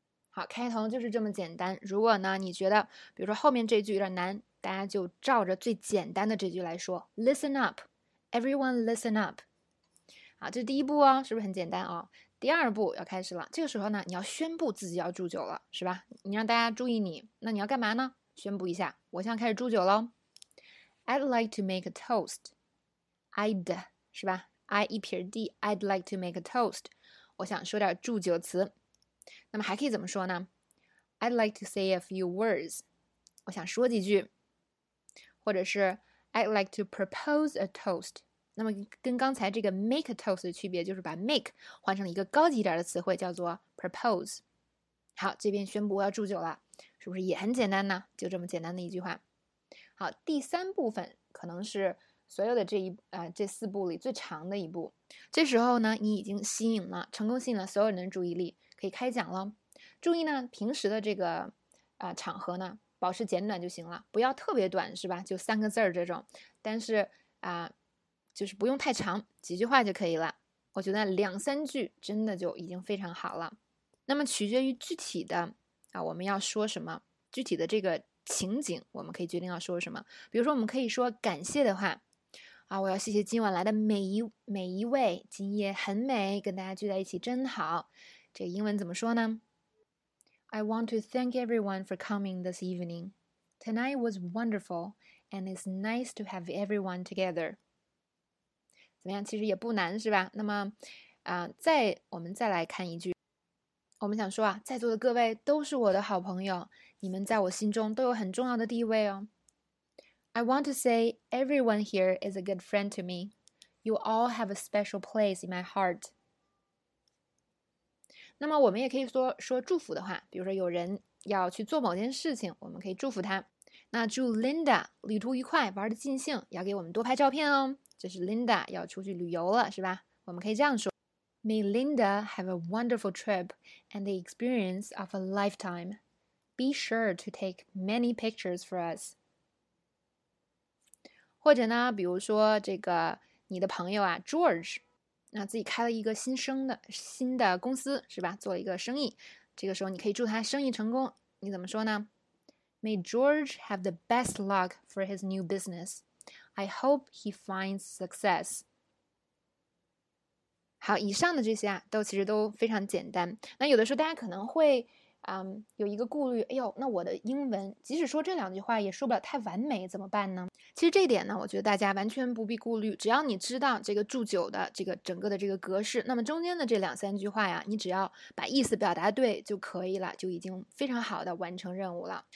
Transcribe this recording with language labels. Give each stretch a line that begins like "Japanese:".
Chinese: 好，开头就是这么简单。如果呢，你觉得，比如说后面这句有点难，大家就照着最简单的这句来说，
English: Listen up, everyone, listen up。
Chinese: 好，这是第一步哦，是不是很简单哦？第二步要开始了，这个时候呢，你要宣布自己要祝酒了，是吧？你让大家注意你，那你要干嘛呢？宣布一下，我现在开始祝酒喽。
English: I'd like to make a toast. I'd
Chinese: 是吧？
English: I
Chinese: 一撇
English: d，I'd like to make a toast。
Chinese: 我想说点祝酒词。那么还可以怎么说呢？
English: I'd like to say a few words。
Chinese: 我想说几句。或者是
English: I'd like to propose a toast。
Chinese: 那么跟刚才这个
English: make a toast
Chinese: 的区别就是把 make 换成一个高级一点的词汇，叫做 propose。好，这边宣布我要祝酒了，是不是也很简单呢？就这么简单的一句话。好，第三部分可能是。所有的这四步里最长的一步，这时候呢，你已经吸引了，成功吸引了所有人的注意力，可以开讲了。注意呢，平时的这个场合呢，保持简短就行了，不要特别短，是吧？就3个字儿这种，但是就是不用太长，几句话就可以了。我觉得2、3句真的就已经非常好了。那么取决于具体的我们要说什么，具体的这个情景，我们可以决定要说什么。比如说，我们可以说感谢的话。啊，我要谢谢今晚来的每一位，今夜很美，跟大家聚在一起真好。这个英文怎么说呢？
English: I want to thank everyone for coming this evening. Tonight was wonderful, and it's nice to have everyone together.
Chinese: 怎么样？其实也不难，是吧？那么，我们再来看一句，我们想说啊，在座的各位都是我的好朋友，你们在我心中都有很重要的地位哦。
English: I want to say everyone here is a good friend to me. You all have a special place in my heart.
Chinese: 那么我们也可以说祝福的话，比如说有人要去做某件事情，我们可以祝福他。那祝 Linda 旅途愉快，玩得尽兴，要给我们多拍照片哦。这是 Linda 要出去旅游了，是吧？我们可以这样说：
English: May Linda have a wonderful trip and the experience of a lifetime. Be sure to take many pictures for us.
Chinese: 或者呢，比如说这个你的朋友啊，George，那自己开了一个新的公司是吧？做了一个生意，这个时候你可以祝他生意成功。你怎么说呢
English: May George have the best luck for his new business. I hope he finds success.
Chinese: 好，以上的这些啊，都其实都非常简单。那有的时候大家可能会，有一个顾虑，哎呦，那我的英文即使说这两句话也说不了太完美，怎么办呢？其实这点呢，我觉得大家完全不必顾虑，只要你知道这个祝酒的这个整个的这个格式，那么中间的这两三句话呀，你只要把意思表达对就可以了，就已经非常好的完成任务了。